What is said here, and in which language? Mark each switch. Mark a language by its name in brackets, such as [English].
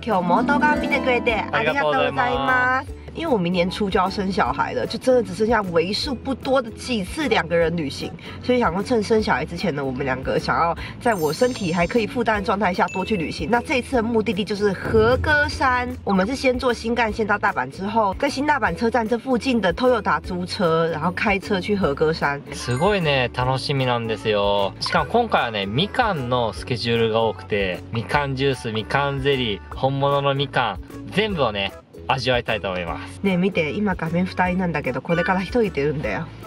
[Japanese] 今日も動画見てくれてありがとうございます。 [Chinese] 因为我明年初就要生小孩了，就真的只剩下为数不多的几次两个人旅行，所以想说趁生小孩之前呢，我们两个想要在我身体还可以负担的状态下多去旅行。那这一次的目的地就是和歌山，我们是先坐新干线到大阪，之后在新大阪车站这附近的 Toyota 租车，然后开车去和歌山。 [Japanese] すごいね、楽しみなんですよ。しかも今回はね、みかんのスケジュールが多くて、みかんジュース、みかんゼリー、本物のみかん、全部をね。味わいたいと思います。ねえ見て、今画面二人なんだけど、これから一人出るんだよ。